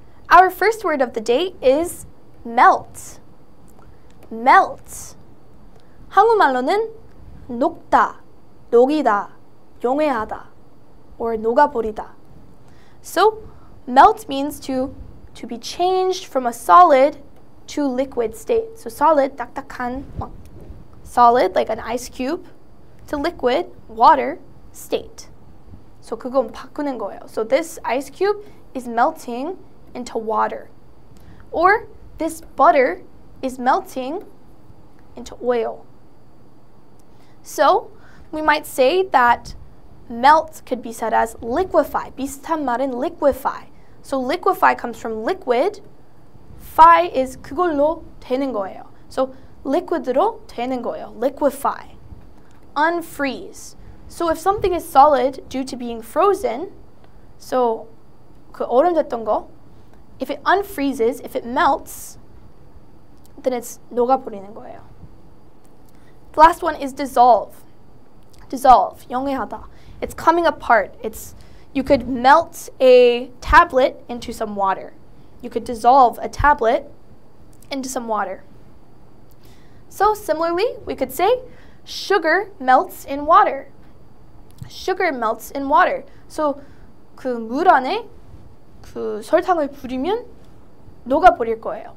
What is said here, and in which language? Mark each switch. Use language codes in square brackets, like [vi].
[en] Our first word of the day is melt. Melt. [ko] 한국말로는 녹다, 녹이다, 용해하다, or 녹아버리다. [en] So, melt means to be changed from a solid to liquid state. So solid, [ko] 딱딱한, [en] solid, like an ice cube, to liquid, water, state. [ko] So 그건 바꾸는 거예요. [en] So this ice cube is melting into water. Or this butter is melting into oil. So we might say that melt could be said as liquefy. [ko] 비슷한 말은 [en] liquefy. So liquefy comes from liquid. Fy is [ko] 그걸로 되는 거예요. So liquid으로 되는 거예요. Liquefy. [en] Unfreeze. So if something is solid due to being frozen, so [ko] 그 얼음 됐던 거, [en] if it unfreezes, if it melts, then it's [ko] 녹아버리는 거예요. [en] The last one is dissolve. Dissolve. [ko] 용해하다. [en] It's coming apart. It's, you could melt a tablet into some water. You could dissolve a tablet into some water. So similarly, we could say sugar melts in water. Sugar melts in water. [ko] So 그 물 안에 그 설탕을 뿌리면 녹아버릴 거예요.